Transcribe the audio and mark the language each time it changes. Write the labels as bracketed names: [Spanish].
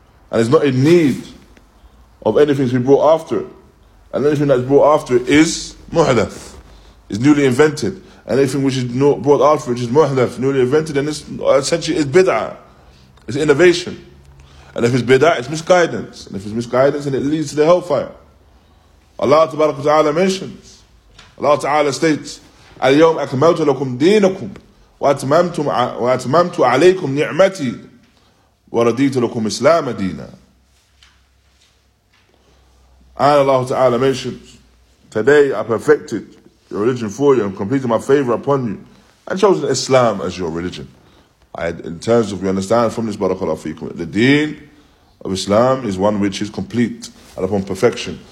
[English] And is not in need of anything to be brought after it. And anything that is brought after it is muhdath, is newly invented. And anything which is brought after it is muhdath, newly invented, and essentially is bid'ah, it's innovation. And if it's bid'ah, it's misguidance. And if it's misguidance, then it leads to the hellfire. Allah tabarak wa ta'ala mentions, Allah ta'ala states, [Arabic] اليوم أكملت لكم دينكم وأتممت عليكم نعمتي ورديت لكم إسلام دينا. [English] And Allah Ta'ala mentions, today I perfected your religion for you and completed my favor upon you and chosen Islam as your religion. We understand from this barakallahu feekum, the deen of Islam is one which is complete and upon perfection.